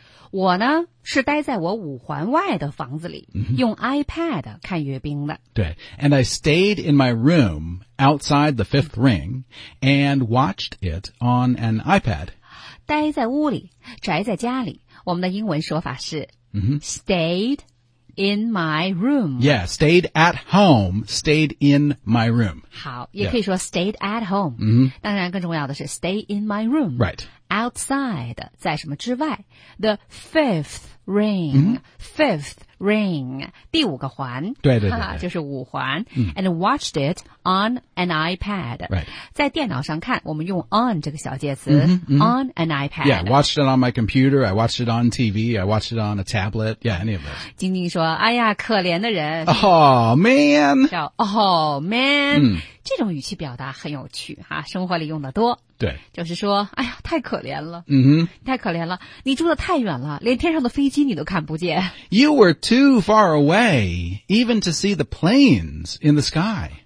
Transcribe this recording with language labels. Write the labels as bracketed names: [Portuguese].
[Chinese] 我呢是待在我五环外的房子里、 mm-hmm. 用 iPad 看阅兵的。 [English] 对 And I stayed in my room. Outside the fifth ring, and watched it on an iPad. [Chinese] 待在屋里，宅在家里。我们的英文说法是、 mm-hmm. [English] stayed in my room. Yeah, stayed at home, stayed in my room. [Chinese] 好，也可以说 [English] stayed at home.、 Mm-hmm. [Chinese] 当然，更重要的是 [English] stay in my room. Right. Outside, [Chinese] 在什么之外 [English] the fifth ring,、 mm-hmm. fifth. Ring, [Chinese] 第五个环对对 对, 对就是五环、 [English] 嗯、And watched it on an iPad、 right. [Chinese] 在电脑上看我们用 on 这个小介词、 mm-hmm, mm-hmm. [English] On an iPad Yeah, watched it on my computer I watched it on TV I watched it on a tablet Yeah, any of those [Chinese] 晶晶说哎呀可怜的人 [English] Oh man 叫 Oh man、嗯、 [Chinese] 这种语气表达很有趣、啊、生活里用的多对就是说哎呀太可怜了、 mm-hmm. 太可怜了你住得太远了连天上的飞机你都看不见 [English] You were too far away even to see the planes in the sky